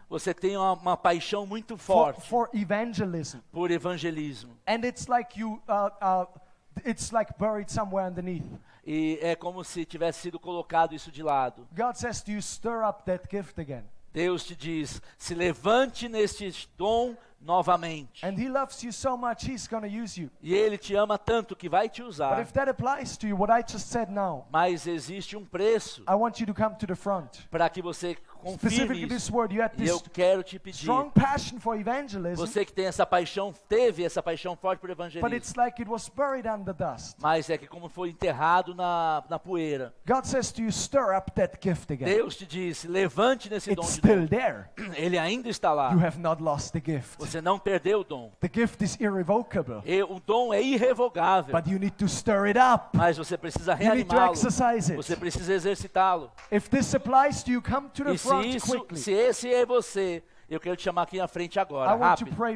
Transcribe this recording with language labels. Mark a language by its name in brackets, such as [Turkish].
[Portuguese] Você tem uma paixão muito forte [English] for evangelism. [Portuguese] Por evangelismo. [English] And it's like you it's like buried somewhere underneath. [Portuguese] E é como se tivesse sido colocado isso de lado. [English] God says to you, stir up that gift again. [Portuguese] Deus te diz, se levante neste dom novamente. [English] And he loves you so much, he's going to use you. [Portuguese] E ele te ama tanto que vai te usar. [English] But if that applies to you, what I just said now. [Portuguese] Mas existe um preço. [English] I want you to come to the front. [Portuguese] Para que você [English] specifically this word, you had this [Portuguese] eu quero te pedir, [English] strong passion for evangelism, [Portuguese] você que tem essa paixão, teve essa paixão forte por evangelismo, [English] but it's like it was buried under dust. [Portuguese] Mas é que como foi enterrado na poeira. [English] God says to you, stir up that gift again. [Portuguese] Deus te diz, levante nesse [English] it's [Portuguese] dom de [English] still [Portuguese] dom. [English] There. [Portuguese] Ele ainda está lá. [English] You have not lost the gift. [Portuguese] Você não perdeu o dom. [English] The gift is irrevocable. [Portuguese] E o dom é irrevogável. [English] But you need to stir it up. [Portuguese] Mas você precisa reanimá-lo. [English] You need to exercise it. [Portuguese] Você precisa exercitá-lo. [English] If this applies to you, come to the [Portuguese] Se esse é você, eu quero te chamar aqui na frente agora, rápido.